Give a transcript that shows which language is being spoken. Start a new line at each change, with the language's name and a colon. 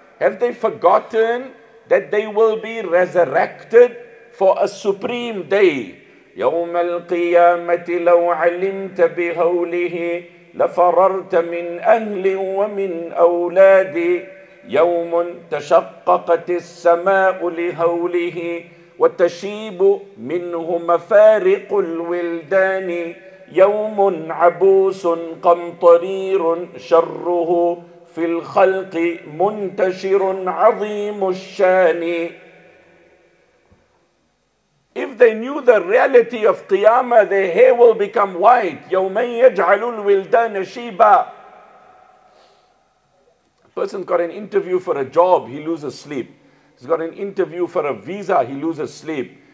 English: Have they forgotten that they will be resurrected for a supreme day?
Arabic: يوم القيامة لو علمت بهوله لفررت من أهل ومن أولادي يوم تشققت السماء لهوله وتشيب منه مفارق الولدان يوم عبوس قمطرير شره في الخلق منتشر عظيم الشان.
English: If they knew the reality of Qiyamah, their hair will become white.
Arabic: يَوْمَنْ يَجْعَلُ الْوِلْدَانَ شِيبًا.
English: Person's got an interview for a job, he loses sleep. He's got an interview for a visa, he loses sleep.